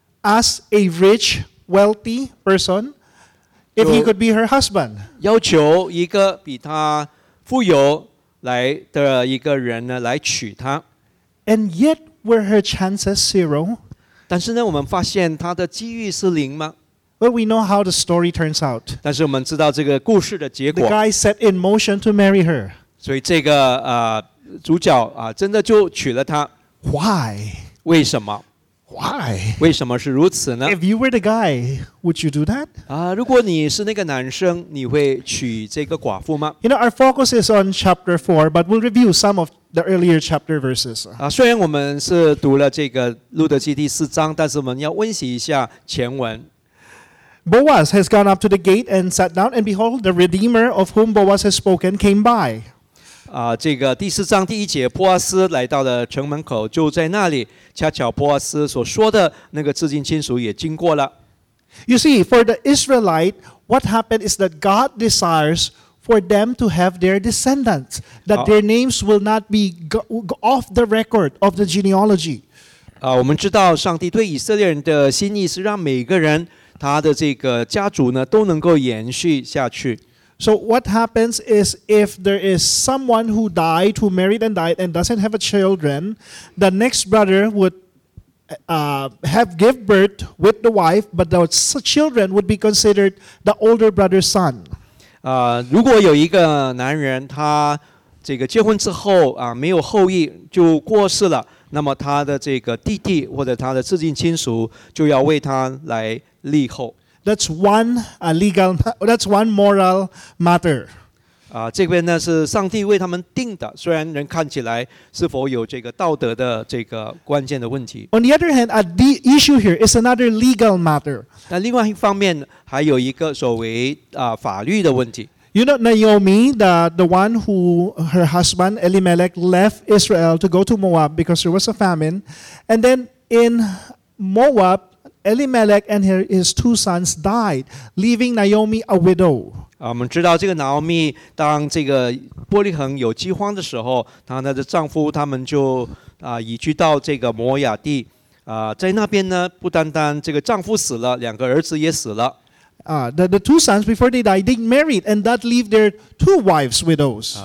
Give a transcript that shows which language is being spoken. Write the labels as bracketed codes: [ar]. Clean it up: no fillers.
[en] As a rich, wealthy person, if he could be her husband. [zh] 要求一个比他富有来的一个人呢来娶她。 [en] And yet were her chances zero? [zh] 但是呢，我们发现她的机遇是零吗？ [en] But we know how the story turns out. [zh] 但是我们知道这个故事的结果。 [en] The guy set in motion to marry her. [zh] 所以这个主角真的就娶了她。 [en] Why? [zh] 为什么？ [en] Why? [zh] 为什么是如此呢？ [en] If you were the guy, would you do that? [zh] 如果你是那个男生，你会娶这个寡妇吗？ [en] You know, our focus is on chapter 4, but we'll review some of the earlier chapter verses. [zh] 虽然我们是读了这个路德记第四章，但是我们要温习一下前文。 [en] Boaz has gone up to the gate and sat down, and behold, the Redeemer of whom Boaz has spoken came by. [zh] 这个第四章第一节，波阿斯来到了城门口，就在那里。恰巧波阿斯所说的那个至亲亲属也经过了。 [en] You see, for the Israelite, what happened is that God desires for them to have their descendants, that their names will not be off the record of the genealogy. [zh] 我们知道上帝对以色列人的心意是让每个人他的这个家族呢都能够延续下去。 [en] So what happens is if there is someone who died, who married and died and doesn't have a children, the next brother would have give birth with the wife, but those children would be considered the older brother's son. [zh] 如果有一个男人他这个结婚之后没有后裔就过世了，那么他的这个弟弟或者他的至亲亲属就要为他来立后。 [en] That's one legal. That's one moral matter. [zh] 这边呢是上帝为他们定的，虽然人看起来是否有这个道德的这个关键的问题。 [en] On the other hand, the issue here is another legal matter. [zh] 但另外一方面还有一个所谓法律的问题。 [en] You know Naomi, the one who her husband Elimelech left Israel to go to Moab because there was a famine, and then in Moab, Elimelech and his two sons died, leaving Naomi a widow. [zh] 我们知道这个 Naomi 当这个伯利恒有饥荒的时候，她那个丈夫他们就移居到这个摩亚地，在那边呢，不单单这个丈夫死了，两个儿子也死了。 The two sons before they died, they married, and that leave their two wives widows.